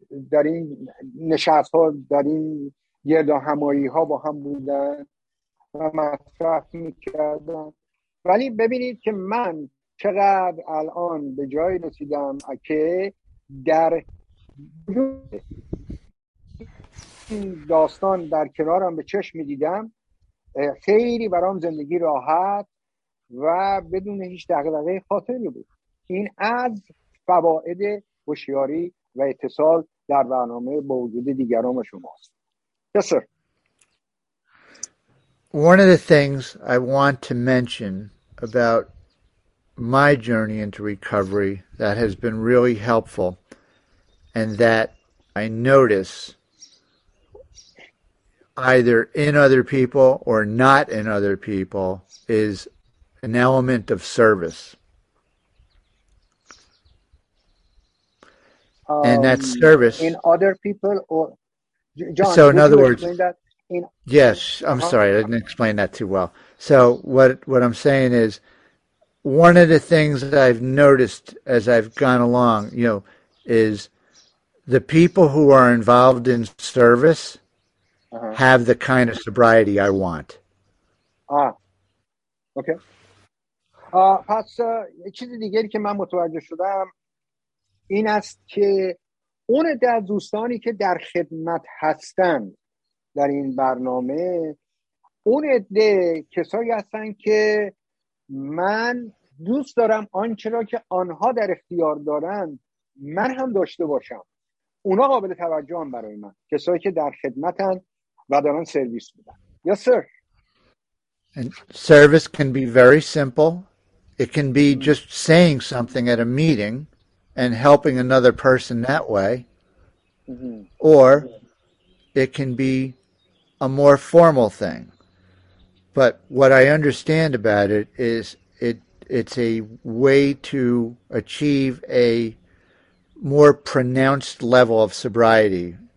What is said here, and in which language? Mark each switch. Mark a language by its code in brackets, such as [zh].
[fa] در این نشست ها در این گرد همایی ها با هم بودن و مصرف میکردن، ولی ببینید که من چقدر الان به جای رسیدم که در داستان در کنارم به چشم میدیدم، خیلی برام زندگی راحت و بدون هیچ دغدغه خاطری بود. این از فواید هوشیاری و اتصال در برنامه با وجود دیگران شماست. [en] Yes, sir. One of the things I want to mention about my journey into recovery that has been really helpful and that I notice either in other people or not in other people is an element of service. And that service... In other people or... John, so in other words... In, yes, I'm sorry, I didn't explain that too well. So what I'm saying is, one of the things that I've noticed as I've gone along, you know, is the people who are involved in service have the kind of sobriety I want. Okay. [fa] پس چیز دیگری که من متوجه شدم این است که اون در دوستانی که در خدمت هستن در این برنامه، اون عده کسایی هستن که من دوست دارم آنچه را که آنها در اختیار دارند من هم داشته باشم. اونا قابل توجه هم برای من، کسایی که در خدمتن و دارن سرویس میدن. [en] Yes, sir. And service can be very simple. It can be just saying something at a meeting and helping another person that way. Or it can be a more formal thing. But what I understand about it is it's a way to achieve a more pronounced level of sobriety.